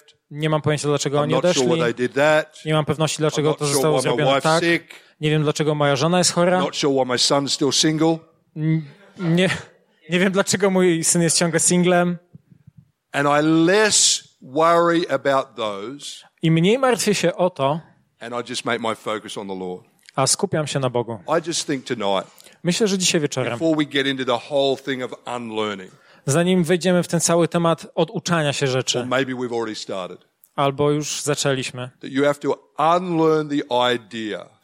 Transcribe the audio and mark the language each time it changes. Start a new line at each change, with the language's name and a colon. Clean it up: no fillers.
Polish: Nie mam pojęcia, dlaczego oni odeszli. Nie mam pewności, dlaczego to zostało zrobione tak. Nie wiem, dlaczego moja żona jest chora. Nie wiem, dlaczego mój syn jest nadal. Nie wiem, dlaczego mój syn jest ciągle singlem.
English: And I less worry about those,
Polish: i mniej martwię się o to,
English: and I just make my focus on the Lord.
Polish: A skupiam się na Bogu.
English: I just think tonight,
Polish: myślę, że dzisiaj wieczorem,
English: before we get into the whole thing of unlearning,
Polish: zanim wejdziemy w ten cały temat oduczania się rzeczy,
English: or maybe we've already started,
Polish: albo już zaczęliśmy,
English: that you have to unlearn the idea,